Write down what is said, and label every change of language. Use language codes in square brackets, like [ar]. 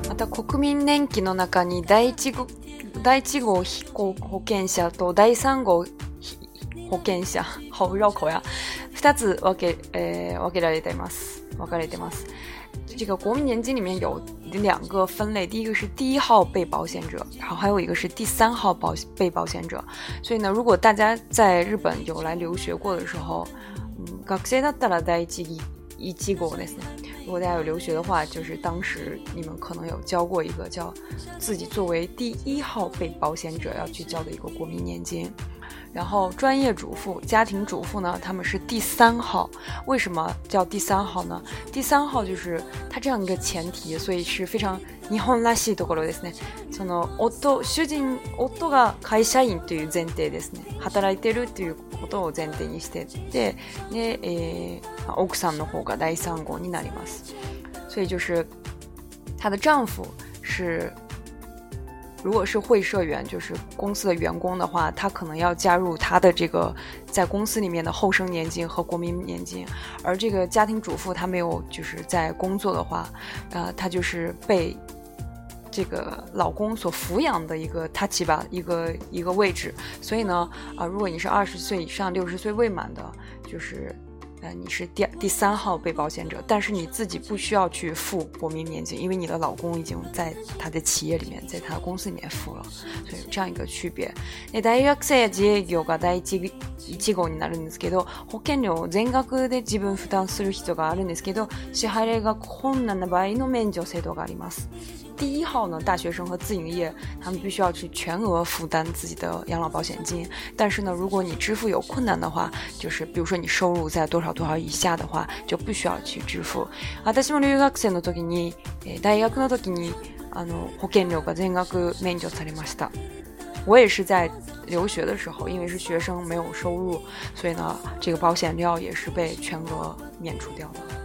[ja] 国民年金の中に第一号被告保険者と第三号保険者、 [zh] 好绕口呀、 [ja] 二つ分かれてます。 [zh] 这个国民年金里面有两个分类，第一个是第一号被保险者，然后还有一个是第三号被保险者。所以呢，如果大家在日本有来留学过的时候， [ja] 学生だったら第一号ですね。 [zh] 如果大家有留学的话，就是当时你们可能有交过一个叫自己作为第一号被保险者要去交的一个国民年金。然后专业主妇、家庭主妇呢，他们是第三号。为什么叫第三号呢？第三号就是他这样一个前提，所以是 [ja] 非常日本らしいところですね。その夫、主人、夫が会社員という前提ですね。働いてるということを前提にしてて、で、奥さんの方が第三号になります。 [zh] 所以就是他的丈夫是。如果是会社员，就是公司的员工的话，他可能要加入他的这个在公司里面的厚生年金和国民年金。而这个家庭主妇他没有就是在工作的话，他就是被这个老公所抚养的一个他起吧一个位置。所以呢，如果你是二十岁以上六十岁未满的，就是你是第三号被保险者，但是你自己不需要去付国民年金，因为你的老公已经在他的企业里面，在他的公司里面付了，所以这样一个区别。 [ja] 大学生や自営業が第一号になるんですけど、保険料を全額で自分負担する必要があるんですけど、支払いが困難な場合の免除制度があります。 [zh] 第一号呢，大学生和自营业，他们必须要去全额负担自己的养老保险金。但是呢，如果你支付有困难的话，就是比如说你收入在多少多少以下的话，就不需要去支付。 [ja] 私も留学生の時に、大学の時に、保険料が全額免除されました。 [zh] 我也是在留学的时候，因为是学生没有收入，所以呢，这个保险料也是被全额免除掉的。